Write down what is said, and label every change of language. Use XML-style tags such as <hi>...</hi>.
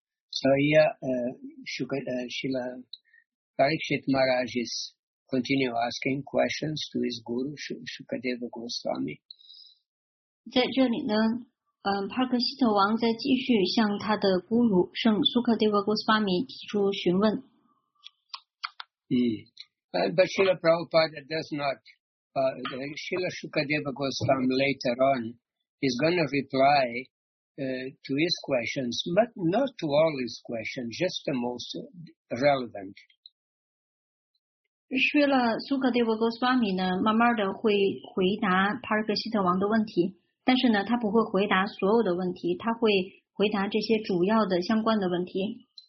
<en>So Srila Parikshit Maharaj is continue asking questions to his guru, Shukadeva Goswami.</en> <zh>在这里呢，帕克希特王在继续向他的孤儒圣苏克德瓦古斯巴米提出询问。</zh> <en>But Srila Prabhupada does not, Srila Shukadeva Goswami later on is going to reply to his questions, but not to all his questions, just the most relevant.</en> <zh>是了，苏克德沃戈斯瓦米呢，慢慢的会回答帕尔克希特王的问题，但是呢，他不会回答所有的问题，他会回答这些主要的相关的问题。</zh>